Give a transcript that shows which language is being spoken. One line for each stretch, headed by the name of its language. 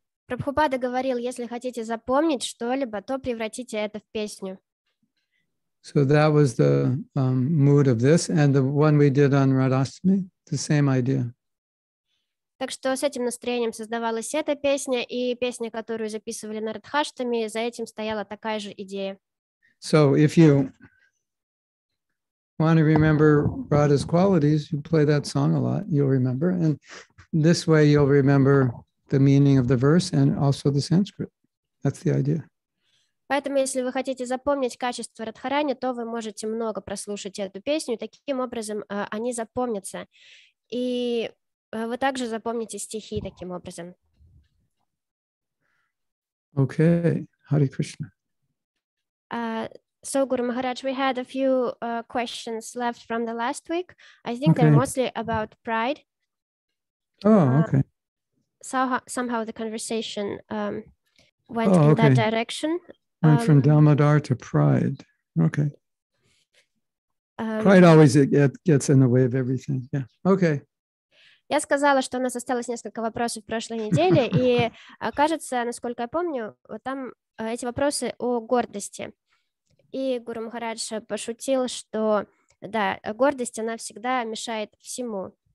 Russian: Прабхупада говорил, если хотите запомнить что-либо, то превратите это в песню.
English: So that was the mood of this, and the one we did on Radhashtami, the same idea.
Russian: Так что с этим настроением создавалась эта песня, и песня, которую записывали на Радхаштами, за этим стояла такая же идея.
English: So if you want to remember Radha's qualities, you play that song a lot, you'll remember. And this way you'll remember the meaning of the verse and also the Sanskrit. That's the idea.
Russian: Поэтому, если вы хотите запомнить качество Радхарани, то вы можете много прослушать эту песню, таким образом они запомнятся. И вы также запомните стихи таким образом.
English: Okay, Hare Krishna. So, Guru Maharaj, we had a few questions left from the last week. I think okay. They're mostly about pride. Oh, okay. Somehow the conversation went in that direction. Went from Damodar to pride. Okay. Pride always gets in the way of everything. Yeah. Okay.
Russian: Я сказала, что у нас осталось несколько вопросов в прошлой неделе, и кажется, насколько я помню, вот там эти вопросы о гордости. И Гуру Махарадж пошутил, что да, гордость, она всегда мешает всему.